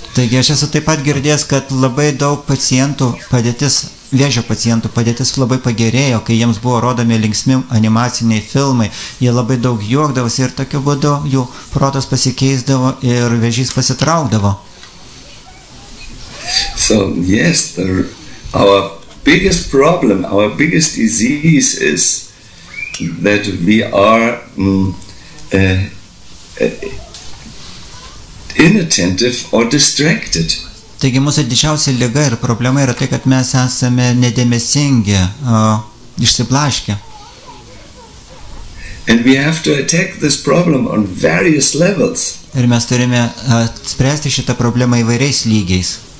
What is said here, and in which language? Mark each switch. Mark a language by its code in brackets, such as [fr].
[lt] Taigi aš esu taip pat girdėjęs, kad labai daug pacientų padėtis, vėžio pacientų padėtis labai pagerėjo, kai jiems buvo rodomi linksmi animaciniai filmai, jie labai daug juokdavosi ir tokiu būdu jų protas pasikeisdavo ir vėžys pasitraukdavo. [en] So, yes, our biggest problem, our biggest disease is that we are inattentive or distracted. [lt] Taigi mūsų didžiausia liga ir problema yra tai, kad mes esame nedėmesingi, išsiblaškę. [en] And we have to attack this problem on various levels. [lt] Ir mes turime spręsti šitą problemą įvairiais lygiais.